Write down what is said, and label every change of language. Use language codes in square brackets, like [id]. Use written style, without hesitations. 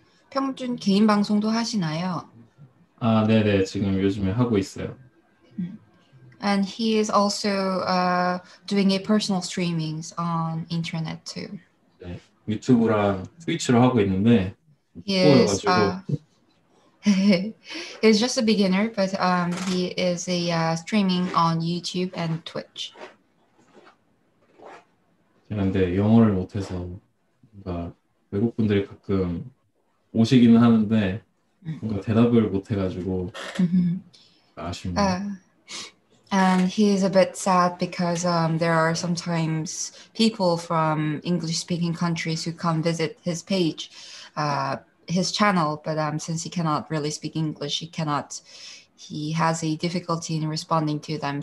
[ko] 평준 개인 방송도 하시나요? 아 네네, 지금 요즘에 하고 있어요. [en] And he is also doing a personal streamings on internet too. [ko] 네, 유튜브랑 트위치로 하고 있는데 [en] He's just a beginner, but he is a streaming on YouTube and Twitch. [ko] 그런데 영어를 못해서 뭔가 외국 분들이 가끔 오시기는 하는데 뭔가 대답을 못해가지고 아쉽네요. [en] And he is a bit sad because there are sometimes people from English-speaking countries who come visit his page, his channel. But since he cannot really speak English, he has a difficulty in responding to them.